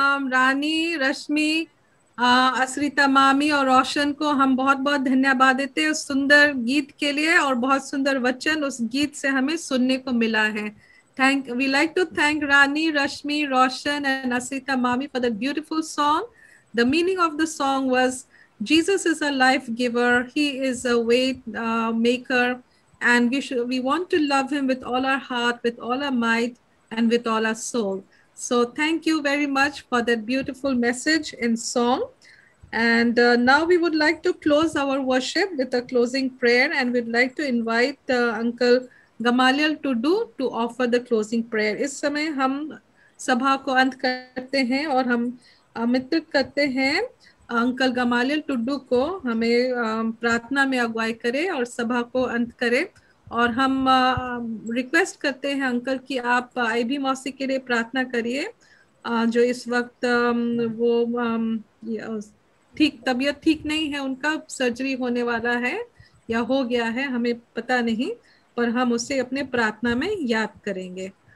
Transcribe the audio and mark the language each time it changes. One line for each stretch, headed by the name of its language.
Hindi: रानी, रश्मि, असरिता मामी और रोशन को हम बहुत बहुत धन्यवाद देते हैं उस सुंदर गीत के लिए, और बहुत सुंदर वचन उस गीत से हमें सुनने को मिला है।
English: Thank, we like to thank Rani, Rashmi, Roshan and Asarita Mami for the beautiful song. The meaning of the song was Jesus is a life giver, he is a way maker, and we want to love him with all our heart, with all our might, and with all our soul. So thank you very much for that beautiful message in song. And now we would like to close our worship with a closing prayer, and we'd like to invite Uncle Gamaliel to offer the closing prayer.
Hindi: Is samay hum sabha ko ant karte hain aur hum आमंत्रित करते हैं uncle Gamaliel Tudu को हमें प्रार्थना में अगुवाई करें और सभा को अंत करें। और हम रिक्वेस्ट करते हैं अंकल कि आप आई भी मौसी के लिए प्रार्थना करिए, जो इस वक्त वो ठीक तबीयत ठीक नहीं है, उनका सर्जरी होने वाला है या हो गया है हमें पता नहीं, पर हम उसे अपने प्रार्थना में याद करेंगे।